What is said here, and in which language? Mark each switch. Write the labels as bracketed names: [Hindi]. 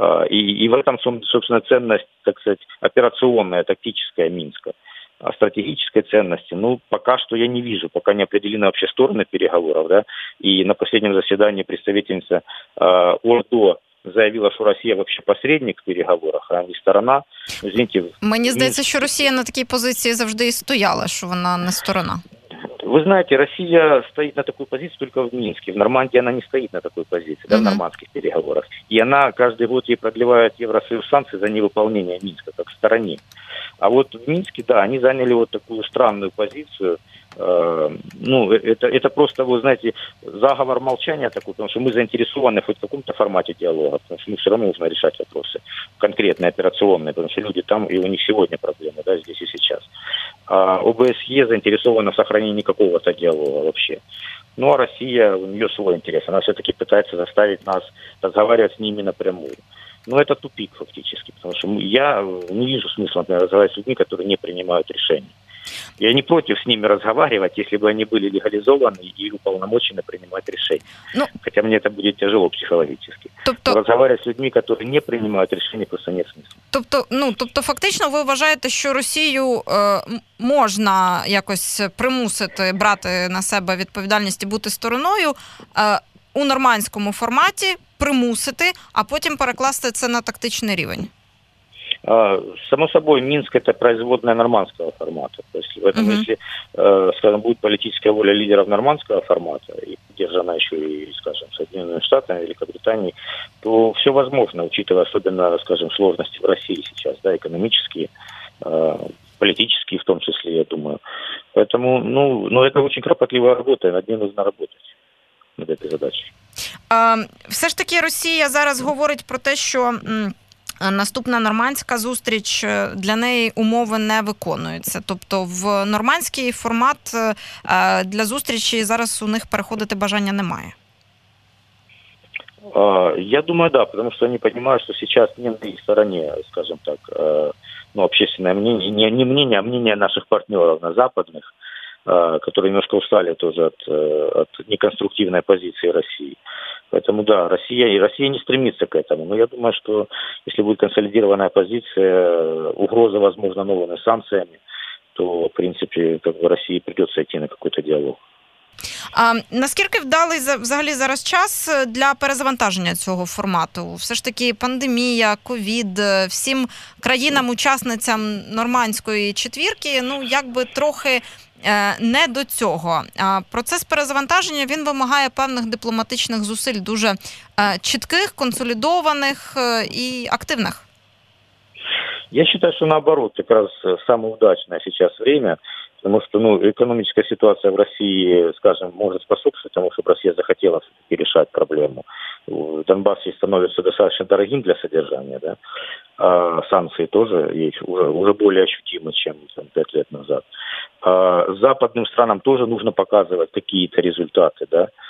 [Russian] И в этом, собственно, ценность, так сказать, операционная, тактическая Минска. О стратегической ценности, ну, пока что я не вижу, пока не определены вообще стороны переговоров, да, и на последнем заседании представительница ОРДО заявила, [Ukrainian] що Росія взагалі посередник в переговорах, а не сторона. [Russian] Извините, [Ukrainian] мені здається, що Росія на такій позиції завжди і стояла, що вона не сторона. Ви знаєте, Росія стоїть на таку позицію тільки в Мінську. В Нормандії вона не стоїть на такій позиції, в нормандських переговорах. І вона кожен рік їй продлевають Євросоюз санкції за невиконання Мінська, як в стороні. А от в Мінську, так, вони зайняли от таку странну позицію. [Russian] Ну, это просто, вы знаете, заговор молчания такой, потому что мы заинтересованы хоть в каком-то формате диалога, потому что мы все равно нужно решать вопросы конкретные, операционные, потому что люди там, и у них сегодня проблемы, да, здесь и сейчас. А ОБСЕ заинтересована в сохранении какого-то диалога вообще. Ну, а Россия, у нее свой интерес, она все-таки пытается заставить нас разговаривать с ними напрямую. Ну, это тупик фактически, потому что я не вижу смысла, например, разговаривать с людьми, которые не принимают решения. Я не против с ними разговаривать, если бы они были легализованы и уполномочены принимать решения. Ну, хотя мне это будет тяжело психологически. Тобто, разговаривать с людьми, которые не принимают решения, просто нет смысла. [Ukrainian] Тобто фактично ви вважаєте, що Росію можна якось примусити брати на себе відповідальність і бути стороною у нормандському форматі, примусити, а потім перекласти це на тактичний рівень? [Russian] Само собой, Минск – это производная нормандского формата. То есть, в этом, если, скажем, будет политическая воля лидеров нормандского формата, и поддержана еще и, скажем, Соединенными Штатами, Великобританией, то все возможно, учитывая особенно, скажем, сложности в России сейчас, да, экономические, политические в том числе, я думаю. Поэтому, ну, но это очень кропотливая работа, и над ней нужно работать, над этой задачей. [Ukrainian] Все ж таки Россия зараз говорить про то, что... Наступна нормандська зустріч, для неї умови не виконуються. Тобто в нормандський формат для зустрічі зараз у них переходити бажання немає. [Russian] Я думаю, да, потому что они понимают, что сейчас не на их стороне, скажем так, ну, общественное мнение, не мнение, а мнение наших партнеров на западных, которые немножко устали тоже от неконструктивной позиции России. Поэтому да, Россия не стремится к этому. Но я думаю, что если будет консолидированная позиция, угроза, возможно, новыми санкциями, то, в принципе, как бы России придется идти на какой-то диалог. [Ukrainian] А наскільки вдалий взагалі зараз час для перезавантаження цього формату? Все ж таки пандемія, ковід, всім країнам-учасницям нормандської четвірки, ну, якби трохи не до цього. Процес перезавантаження, він вимагає певних дипломатичних зусиль, дуже чітких, консолідованих і активних. Я вважаю, що наоборот, якраз найудачніше зараз час. [Russian] Потому что, ну, экономическая ситуация в России, скажем, может способствовать тому, чтобы Россия захотела решать проблему. Донбасс ей становится достаточно дорогим для содержания, да. А санкции тоже есть уже более ощутимы, чем там, 5 лет назад. А западным странам тоже нужно показывать какие-то результаты, да.